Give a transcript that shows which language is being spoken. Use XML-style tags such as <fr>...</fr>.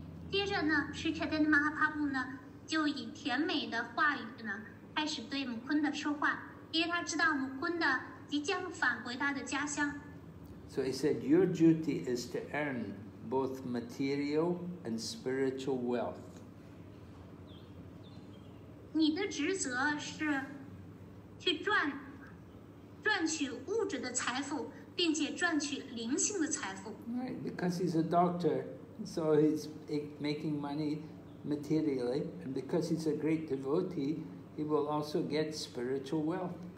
<zh>接着呢，是Chaitanya Mahaprabhu呢，就以甜美的话语呢，开始对Mukunda说话，因为他知道Mukunda即将返回他的家乡。</zh> <en>So he said, "Your duty is to earn both material and spiritual wealth."</en> <zh>你的职责是去赚取物质的财富，并且赚取灵性的财富。</zh> <en>Right, because he's a doctor. So he's making money materially, and because he's a great devotee, he will also get spiritual wealth.</en>